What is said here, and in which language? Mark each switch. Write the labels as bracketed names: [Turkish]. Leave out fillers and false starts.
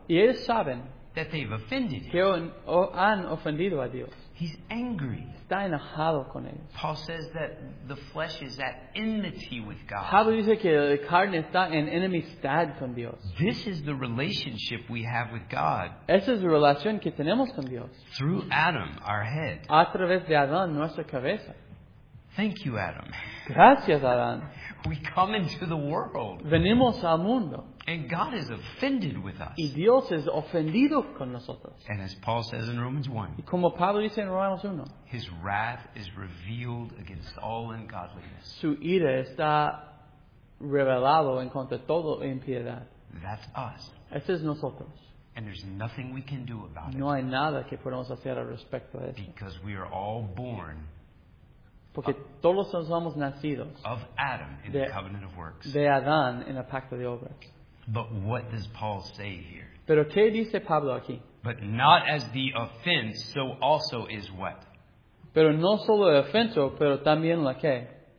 [Spanish] y ellos saben, [English] that they've offended [Spanish] que [English] him. [Spanish] Han ofendido a Dios. [English] He's angry. [Spanish] Está enojado con ellos. [English] Paul says that the flesh is at enmity with God. [Spanish] Pablo dice que la carne está en enemistad con Dios. [English] This is the relationship we have with God. [Spanish] Esa es la relación que tenemos con Dios. [English] Through Adam, our head. [Spanish] A través de Adán, nuestra cabeza. [English] Thank you, Adam. [Spanish] Gracias, Adán. [English] We come into the world. [Spanish] Venimos al mundo. [English] And God is offended with us. [Spanish] Y Dios es ofendido con nosotros. [English] And as Paul says in Romans 1, [Spanish] y como Pablo dice en Romanos 1, [English] his wrath is revealed against all ungodliness. [Spanish] Su ira está revelado en contra de toda impiedad. [English] That's us. [Spanish] Ese es nosotros. [English] And there's nothing we can do about it. [Spanish] No hay nada que podamos hacer al respecto de eso. [English] Because we are all born. [Spanish] Porque todos nos somos nacidos [English] of Adam in the covenant of works. [Spanish] De Adán en el pacto de obras. [English] But what does Paul say here? [Spanish] Pero ¿qué dice Pablo aquí? [English] But not as the offense, so also is what? [Spanish] Pero no solo el ofenso, pero también la qué?